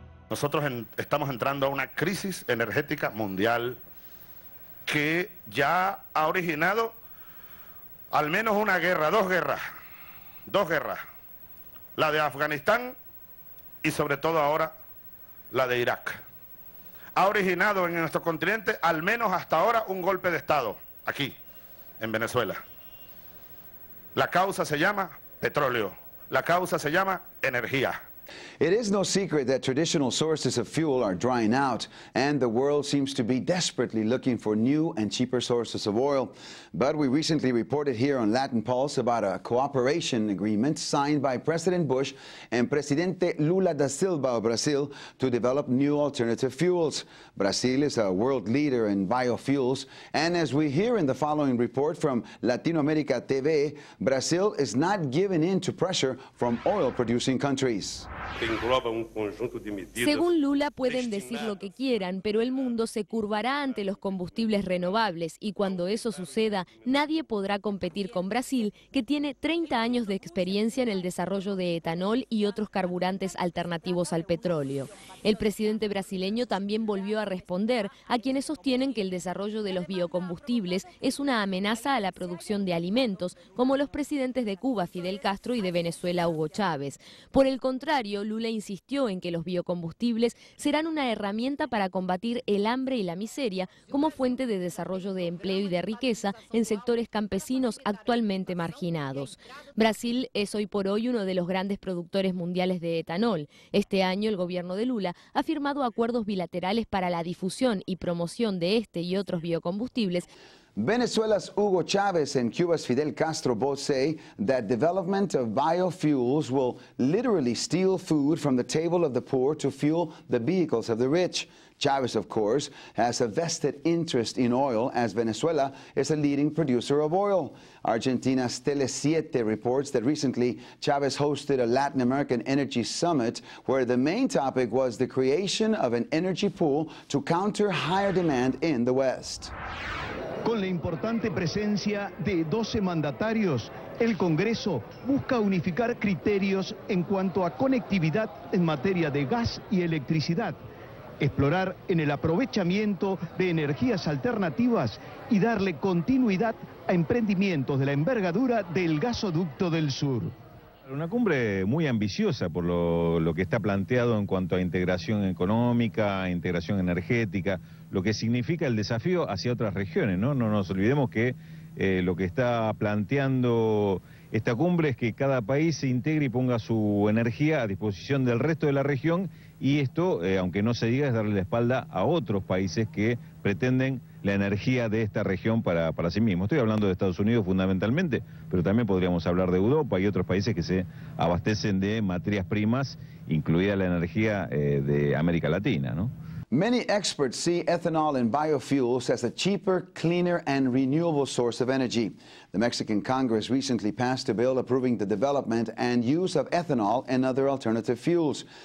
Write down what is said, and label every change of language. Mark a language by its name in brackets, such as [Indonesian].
[Spanish] Nosotros estamos entrando a una crisis energética mundial que ya ha originado al menos una guerra, dos guerras, la de Afganistán y sobre todo ahora la de Irak. Ha originado en nuestro continente al menos hasta ahora un golpe de Estado aquí en Venezuela. La causa se llama petróleo, la causa se llama energía. [English] It is no secret that traditional sources of fuel are drying out, and the world seems to be desperately looking for new and cheaper sources of oil. But we recently reported here on Latin Pulse about a cooperation agreement signed by President Bush and Presidente Lula da Silva of Brazil to develop new alternative fuels. Brazil is a world leader in biofuels, and as we hear in the following report from Latinoamérica TV, Brazil is not giving in to pressure from oil-producing countries. [Spanish] que engloba un conjunto de medidas. Según Lula, pueden decir lo que quieran, pero el mundo se curvará ante los combustibles renovables y cuando eso suceda, nadie podrá competir con Brasil, que tiene 30 años de experiencia en el desarrollo de etanol y otros carburantes alternativos al petróleo. El presidente brasileño también volvió a responder a quienes sostienen que el desarrollo de los biocombustibles es una amenaza a la producción de alimentos, como los presidentes de Cuba, Fidel Castro, y de Venezuela, Hugo Chávez. Por el contrario, Lula insistió en que los biocombustibles serán una herramienta para combatir el hambre y la miseria como fuente de desarrollo de empleo y de riqueza en sectores campesinos actualmente marginados. Brasil es hoy por hoy uno de los grandes productores mundiales de etanol. Este año, el gobierno de Lula ha firmado acuerdos bilaterales para la difusión y promoción de este y otros biocombustibles. [English] Venezuela's Hugo Chávez and Cuba's Fidel Castro both say that development of biofuels will literally steal food from the table of the poor to fuel the vehicles of the rich. Chávez, of course, has a vested interest in oil, as Venezuela is a leading producer of oil. Argentina's Tele7 reports that recently Chávez hosted a Latin American energy summit where the main topic was the creation of an energy pool to counter higher demand in the West. [Spanish] Con la importante presencia de 12 mandatarios, el Congreso busca unificar criterios en cuanto a conectividad en materia de gas y electricidad, explorar en el aprovechamiento de energías alternativas y darle continuidad a emprendimientos de la envergadura del gasoducto del sur. Una cumbre muy ambiciosa por lo que está planteado en cuanto a integración económica, integración energética, lo que significa el desafío hacia otras regiones, ¿no? No nos olvidemos que lo que está planteando esta cumbre es que cada país se integre y ponga su energía a disposición del resto de la región y esto, aunque no se diga, es darle la espalda a otros países que pretenden la energía de esta región para sí mismo. Estoy hablando de Estados Unidos fundamentalmente, pero también podríamos hablar de Europa y otros países que se abastecen de materias primas, incluida la energía de América Latina, ¿no? [English] Many experts see ethanol and biofuels as a cheaper, cleaner, and renewable source of energy. The Mexican Congress recently passed a bill approving the development and use of ethanol and other alternative fuels.